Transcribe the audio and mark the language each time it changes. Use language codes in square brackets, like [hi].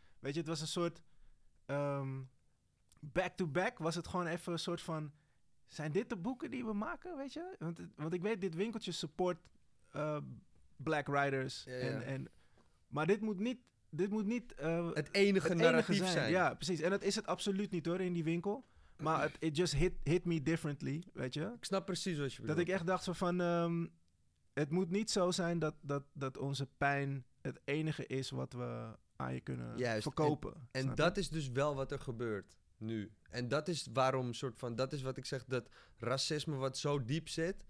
[nl] Weet je, het was een soort back-to-back was het gewoon even een soort van, zijn dit de boeken die we maken, weet je? Want ik weet, dit winkeltje [en] support black writers. [nl] Maar dit moet niet het enige narratief zijn. Ja, precies. En dat is het absoluut niet hoor, in die winkel. Maar [en] it just hit me differently, [nl] weet je? Ik snap precies wat je bedoelt. Dat ik echt dacht van, het moet niet zo zijn dat onze pijn het enige is wat we aan je kunnen verkopen. En dat is dus wel wat er gebeurt nu. En dat is waarom, soort van, dat is wat ik zeg, dat racisme wat zo diep zit.